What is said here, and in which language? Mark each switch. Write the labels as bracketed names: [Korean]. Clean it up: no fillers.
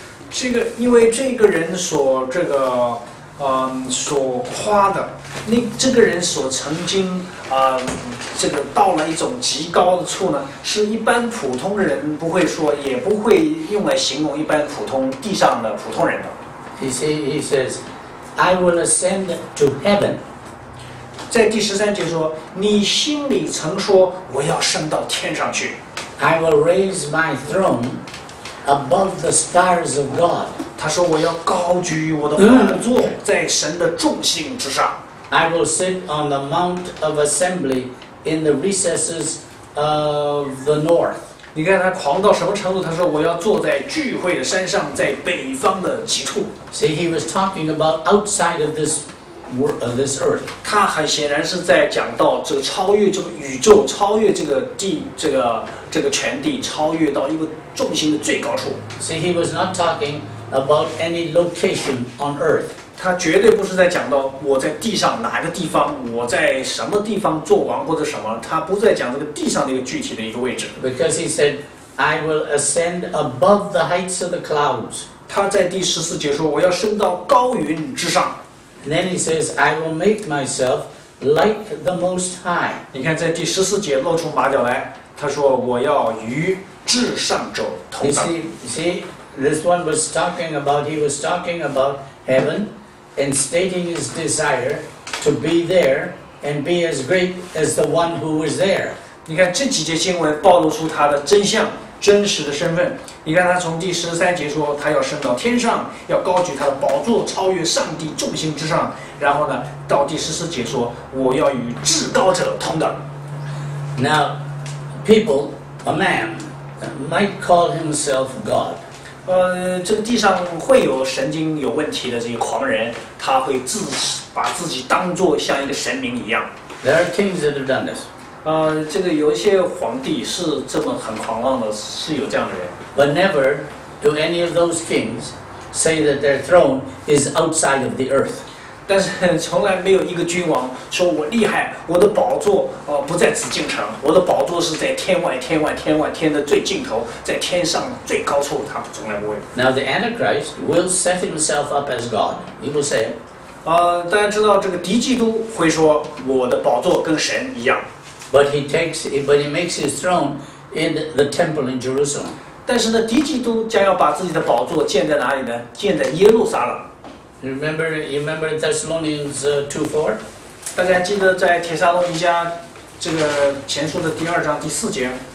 [Chinese] 这个因为这个人所这个所夸的，那这个人所曾经这个到了一种极高的处呢，是一般普通人不会说，也不会用来形容一般普通地上的普通人的。 [English] He says, "I will ascend to heaven." [Chinese] 在第十三节说，你心里曾说，我要升到天上去。 [English] I will raise my throne above the stars of God. [Chinese] 他说我要高举我的宝座在神的众星之上。 [English] I will sit on the mount of assembly in the recesses of the north. [Chinese] 你看他狂到什么程度？他说我要坐在聚会的山上，在北方的极处。 [English] See, he was talking about outside of this earth. [Chinese] 他很显然是在讲到这个超越这个宇宙，超越这个地，这个全地，超越到一个众星的最高处。 [English] See, he was not talking about any location on earth. [Chinese] 他绝对不是在讲到我在地上哪个地方，我在什么地方做王或者什么，他不在讲这个地上的一个具体的一个位置。 [English] Because he said, I will ascend above the heights of the clouds. [Chinese] 他在第十四节说，我要升到高云之上。 [English] Then he says, I will make myself like the Most High. [Chinese] 你看在第十四节露出马脚来，他说我要与至上者同等。 [English] You see, this one was talking about, he was talking about heaven and stating his desire to be there and be as great as the one who was there. [Chinese] 你看这几节经文暴露出他的真相。真实的身份，你看他从第十三节说他要升到天上，要高举他的宝座，超越上帝众星之上。然后呢，到第十四节说我要与至高者同等。 [English] Now, people, a man might call himself God. [Chinese] 这地上会有神经有问题的这些狂人，他会自把自己当作像一个神明一样。 [English] There are kings that have done this. [Chinese] 这个有一些皇帝是这么很狂妄的，是有这样的人。 [English] But never do any of those kings say that their throne is outside of the earth. [Chinese] 但是从来没有一个君王说我厉害，我的宝座不在紫禁城，我的宝座是在天外天外天外天的最尽头，在天上最高处，他从来不会。 [English] Now the Antichrist will set himself up as God. He will say. [Chinese] 大家知道这个敌基督会说我的宝座跟神一样。 [English] But he makes his throne in the temple in Jerusalem. [Chinese] 但是呢，敌基督将要把自己的宝座建在哪里呢？建在耶路撒冷。 [English] You remember Thessalonians 2:4? [Chinese] 大家记得在帖撒罗尼迦这个前书的第二章第四节。